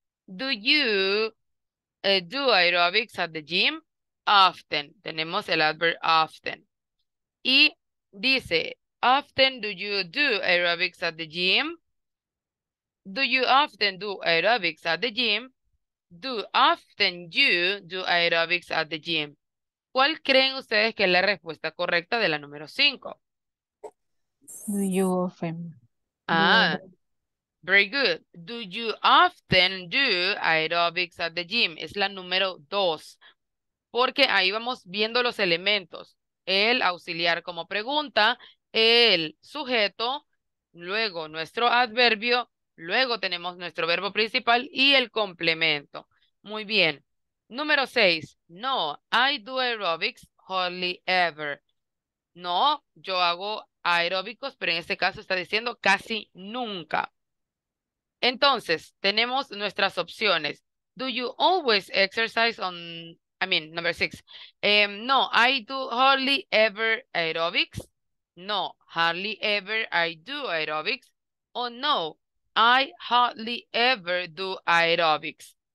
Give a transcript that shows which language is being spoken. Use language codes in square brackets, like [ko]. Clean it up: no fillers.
[en] Do you do aerobics at the gym often. Tenemos el adverb often. Y dice, often do you do aerobics at the gym? Do you often do aerobics at the gym? Do often you do aerobics at the gym? [es] ¿Cuál creen ustedes que es la respuesta correcta de la número 5? [en] Do you often do Ah. Very good. Do you often do aerobics at the gym? Es la número 2. Porque ahí vamos viendo los elementos. [es] el auxiliar como pregunta, el sujeto, luego nuestro adverbio, luego tenemos nuestro verbo principal y el complemento. Muy bien. Número 6. [en] No, I do aerobics hardly ever. [es] No, yo hago aeróbicos, pero en este caso está diciendo casi nunca. Entonces, tenemos nuestras opciones. [en] Do you always exercise on, I mean, number 6. No, I do hardly ever aerobics. No, hardly ever I do aerobics. O no, I hardly ever do aerobics.